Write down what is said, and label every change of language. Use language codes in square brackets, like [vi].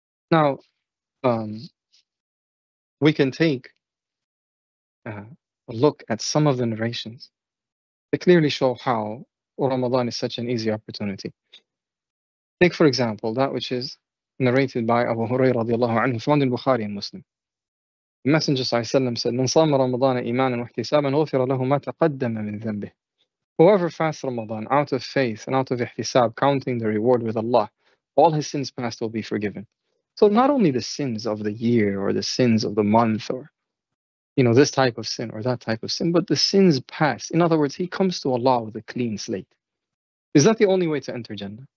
[en] Now, we can take a look at some of the narrations that clearly show how Ramadan is such an easy opportunity. Take, for example, that which is narrated by Abu Hurairah radiallahu anhu, found in Bukhari and Muslim. The Messenger sallallahu alayhi wa sallam said, [ar] من صام رمضان إيمانا واحتسابا غفر له ما تقدم من ذنبه. [en] Whoever fasts Ramadan out of faith and out of ihtisab, counting the reward with Allah, all his sins past will be forgiven. So not only the sins of the year or the sins of the month or, you know, this type of sin or that type of sin, but the sins past. In other words, he comes to Allah with a clean slate. Is that the only way to enter Jannah?